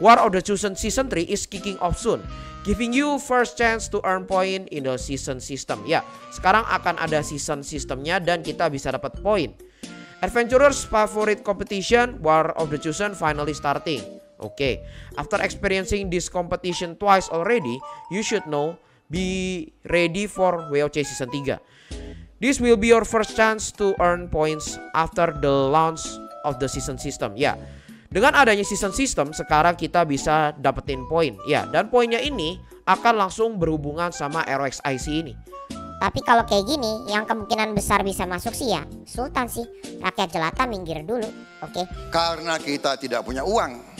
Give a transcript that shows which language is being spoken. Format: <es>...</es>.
<en>War of the Chosen Season 3 is kicking off soon, giving you first chance to earn point in the season system.</en> <id>Ya, sekarang akan ada season systemnya dan kita bisa dapat point.</id> <en>Adventurers Favorite Competition, War of the Chosen finally starting. Oke, okay. After experiencing this competition twice already, you should know, be ready for WOC Season 3. This will be your first chance to earn points after the launch of the season system.</en> <id>Ya, dengan adanya season system, sekarang kita bisa dapetin poin. Ya, dan poinnya ini akan langsung berhubungan sama ROX IC ini. Tapi kalau kayak gini, yang kemungkinan besar bisa masuk sih ya, Sultan sih. Rakyat jelata minggir dulu, oke? Okay. Karena kita tidak punya uang.</id>